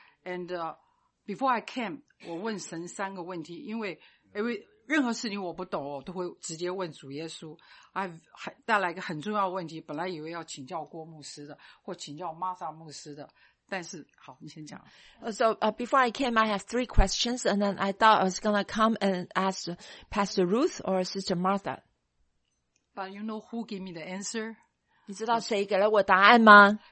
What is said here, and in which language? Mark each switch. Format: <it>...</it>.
<en>And, before I came,</en> <zh>我问神三个问题，因为任何事情我不懂我都会直接问主耶稣。 I 还带来一个很重要的问题，本来以为要请教郭牧师的或请教玛莎牧师的，但是好你先讲。</zh> <en>So, before I came, I have three questions, and then I thought I was going to come and ask Pastor Ruth or Sister Martha. But you know who gave me the answer?</en> <zh>你知道谁给了我答案吗？</zh>